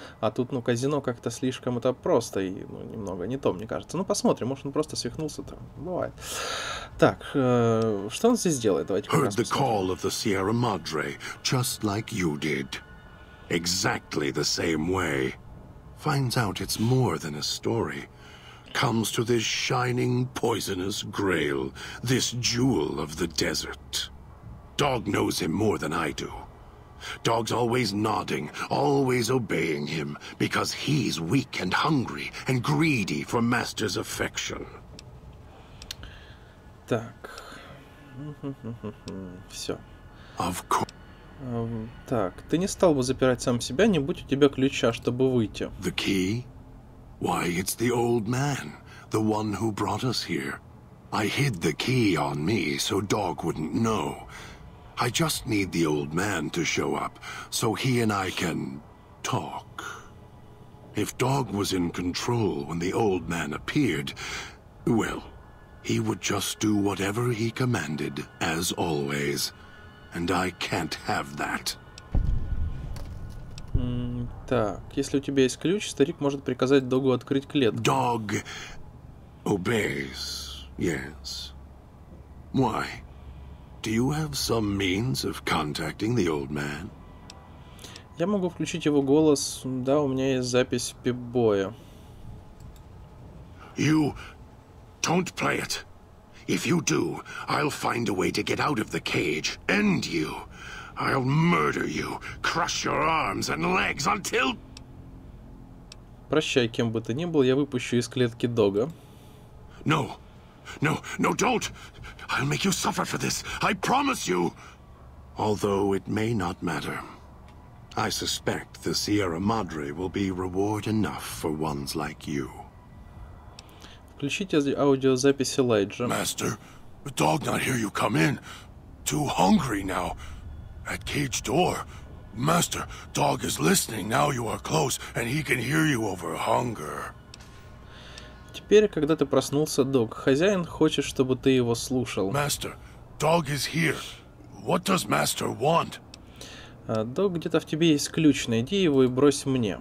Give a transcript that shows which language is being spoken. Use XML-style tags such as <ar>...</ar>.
<ru>А тут, ну, казино как-то слишком это просто и, ну, немного не то, мне кажется. Ну, посмотрим, может, он просто свихнулся там. Бывает. Так, что он здесь делает? Давайте посмотрим.</ru> <en>Heard the call of the Sierra Madre, just like you did. Exactly the same way. Finds out it's more than a story. Comes to this shining, poisonous grail, this jewel of the desert. Dog knows him more than I do. Dog's always nodding, always obeying him, because he's weak and hungry and greedy for Master's affection.</en> <ru>Так. Все.</ru> <en>Of course.</en> <ru>Так, ты не стал бы запирать сам себя, не будь у тебя ключа, чтобы выйти.</ru> <en>The key? Why, it's the old man, the one who brought us here. I hid the key on me, so Dog wouldn't know. I just need the old man to show up, so he and I can talk. If Dog was in control when the old man appeared, well, he would just do whatever he commanded, as always. And I can't have that.</en> <ru>Так, если у тебя есть ключ, старик может приказать Догу открыть клетку.</ru> <en>Dog obeys, yes. Why? Do you have some means of contacting the old man?</en> <ru>Я могу включить его голос. Да, у меня есть запись Пип-Боя.</ru> <en>You don't play it. If you do, I'll find a way to get out of the cage. End you. I'll murder you. Crush your arms and legs until...</en> <ru>Прощай, кем бы ты ни был, я выпущу из клетки Дога.</ru> <en>No. No, no, don't! I'll make you suffer for this, I promise you! Although it may not matter. I suspect the Sierra Madre will be reward enough for ones like you.</en> <ru>Включите аудиозапись Элайджа.</ru> <en>Master, Dog not hear you come in. Too hungry now. At cage door. Master, Dog is listening, now you are close, and he can hear you over hunger.</en> <ru>Теперь, когда ты проснулся, Дог, хозяин хочет, чтобы ты его слушал.</ru> <en>Master, Dog is here. What does Master want?</en> <ru>Дог, где-то в тебе есть ключ, найди его и брось мне.</ru>